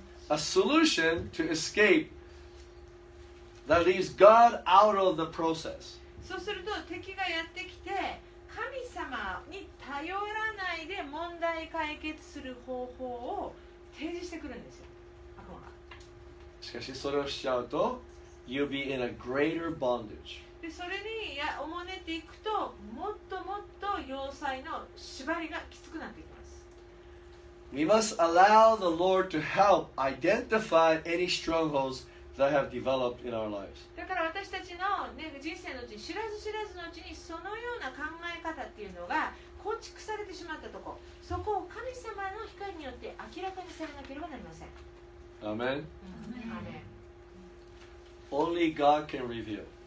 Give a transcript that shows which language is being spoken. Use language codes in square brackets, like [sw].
[en] A solution to escape that leaves God out of the process. [ja] そうすると敵がやってきて神様に頼らないで問題解決する方法を提示してくるんですよ。しかしそれをしちゃうと [en] You'll be in a greater bondage. [ja] でそれにおもねていくともっともっと要塞の縛りがきつくなっていく。 [en] We must allow the Lord to help identify any strongholds that have developed in our lives. [ja] だから私たちの、ね、人生のうちに知らず知らずのうちにそのような考え方っていうのが構築されてしまったとこ、そこを神様の光によって明らかにされなければなりません。アメン。アメン。 [en] Only God can reveal.